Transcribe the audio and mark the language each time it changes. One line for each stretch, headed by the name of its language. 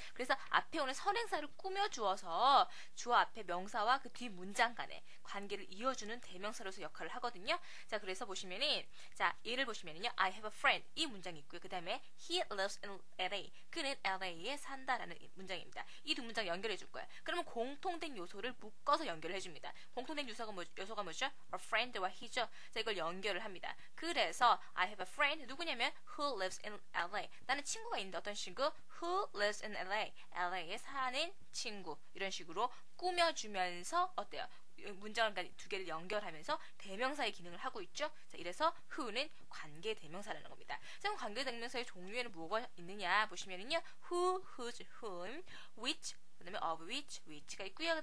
Korean: 그래서 앞에 오는 선행사를 꾸며주어서 주어 앞에 명사와 그 뒤 문장 간에 관계를 이어주는 대명사로서 역할을 하거든요. 자, 그래서 보시면은, 자, 예를 보시면은요,
English: I have a friend
Korean: 이 문장이 있고요. 그 다음에
English: He lives in LA
Korean: 그는 LA에 산다라는 문장입니다. 이 두 문장 연결해 줄 거예요. 그러면 공통된 요소를 묶어서 연결을 해줍니다. 공통된 요소가 뭐죠? A friend와 he죠. 자, 이걸 연결을 합니다. 그래서
English: I have a friend
Korean: 누구냐면
English: Who lives in LA
Korean: 나는 친구가 있는데 어떤 친구?
English: Who lives in LA
Korean: LA에 사는 친구 이런 식으로 꾸며주면서 어때요? 문장을 두 개를 연결하면서 대명사의 기능을 하고 있죠. 자, 이래서 who는 관계 대명사라는 겁니다. 그럼 관계 대명사의 종류에는 뭐가 있느냐 보시면은요, who, whose, whom, which, 그다음에 of which, which가 있고요.